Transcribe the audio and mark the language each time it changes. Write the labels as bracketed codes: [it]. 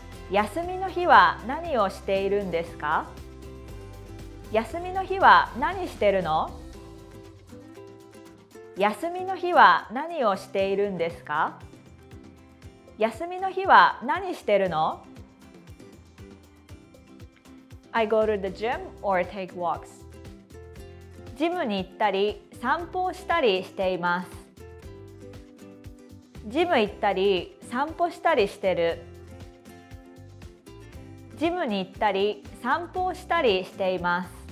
[ja] 休みの日は何をしているんですか? 休みの日は何してるの? 休みの日は何をしているんですか? 休みの日は何してるの? [en] I go to the gym or take walks. [ja] ジムに行ったり、散歩をしたりしています。ジム行ったり、散歩したりしてる。ジムに行ったり、散歩をしたりしています。